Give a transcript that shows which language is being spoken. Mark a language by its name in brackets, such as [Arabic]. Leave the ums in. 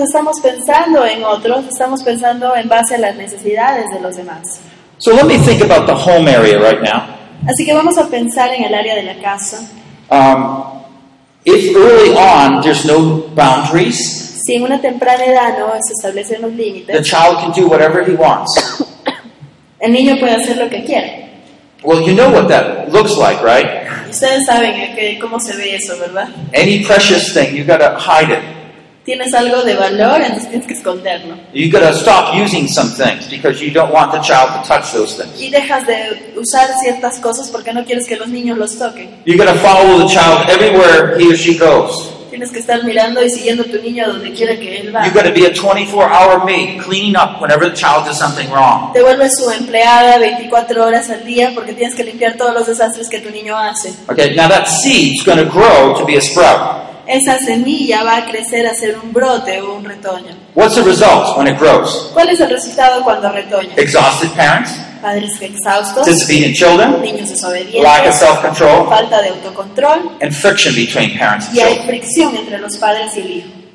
[Spanish] estamos pensando en otros, estamos pensando en base a las necesidades de los demás. [English] So think about the home area right now. [Spanish] Así que vamos a pensar en el área de la casa. [English] Um, if early on there's no boundaries, [Spanish] si sí, en una temprana edad no se establecen los límites, [English] the child can do whatever he wants. [Spanish] el niño puede hacer lo que quiere. [English] Well, you know what that looks like, right? [Spanish] Ustedes saben que, okay, cómo se ve eso, ¿verdad? [English] Any precious thing, you got to hide it. [Spanish] Tienes algo de valor, entonces tienes que esconderlo. [English] You got to stop using some things because you don't want the child to touch those things. [Spanish] Y dejas de usar ciertas cosas porque no quieres que los niños los toquen. [English] You got to follow the child everywhere he or she goes. [Spanish] Tienes que estar mirando y siguiendo a tu niño donde quiera que él va. [English] You got to be a 24-hour maid cleaning up whenever the child does something wrong. [Spanish] Te vuelves su empleada 24 horas al día porque tienes que limpiar todos los desastres que tu niño hace. [English] Okay, now that seed's going to grow to be a sprout. [Spanish] Esa semilla va a crecer a ser un brote o un retoño. [English] What's the result when it grows? [Spanish] ¿Cuál es el resultado cuando retoña? [English] Exhausted parents? [Spanish] padres exhaustos, niños lack falta de autocontrol, y hay fricción entre los padres y el hijo.